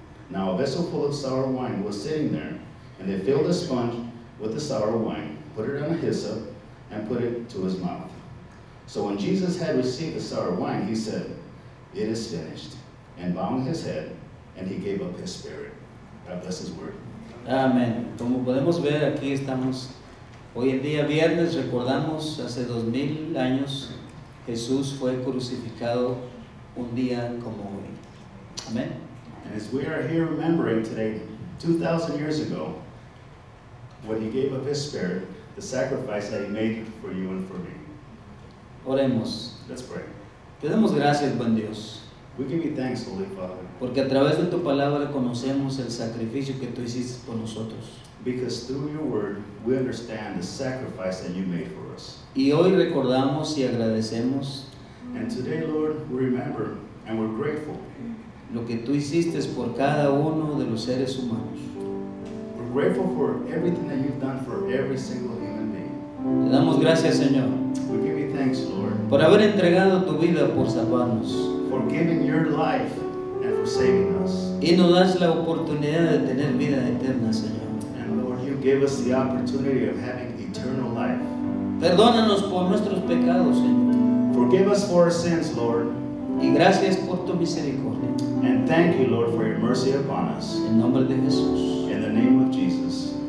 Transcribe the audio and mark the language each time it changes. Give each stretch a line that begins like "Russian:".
English: Now a vessel full of sour wine was sitting there, and they filled a sponge with the sour wine, put it on a hyssop, and put it to his mouth. So when Jesus had received the sour wine, he said, it is finished, and bowing his head, and he gave up his spirit. God bless his word. Amen.
Spanish: Como podemos ver, aquí estamos hoy en día viernes, recordamos hace 2000 años Jesús fue crucificado un día como hoy. Amen.
English: And as we are here remembering today, 2,000 years ago, when he gave up his spirit, the sacrifice that he made for you and for me.
Spanish: Oremos.
English: Let's pray.
Spanish: Te damos gracias, buen Dios.
English: We give you thanks, Holy Father.
Spanish: Porque a través de tu palabra conocemos el sacrificio que tú hiciste por nosotros.
English: Because through your word, we understand the sacrifice that you made for us.
Spanish: Y hoy recordamos y agradecemos.
English: And today, Lord, we remember and we're grateful.
Spanish: Lo que tú hiciste es por cada uno de los seres humanos.
English: We're grateful for everything that you've done for every single human being.
Spanish: Te damos gracias, Señor.
English: We give you thanks, Lord.
Spanish: Por haber entregado tu vida por salvarnos.
English: For giving your life and for saving us.
Spanish: Y nos das la oportunidad de tener vida eterna, Señor.
English: And Lord, you gave us the opportunity of having eternal life.
Spanish: Perdónanos por nuestros pecados, Señor.
English: Forgive us for our sins, Lord.
Spanish: Y gracias por tu misericordia.
English: And thank you, Lord, for your mercy upon us.
Spanish: En nombre de Jesús.
English: In the name of Jesus.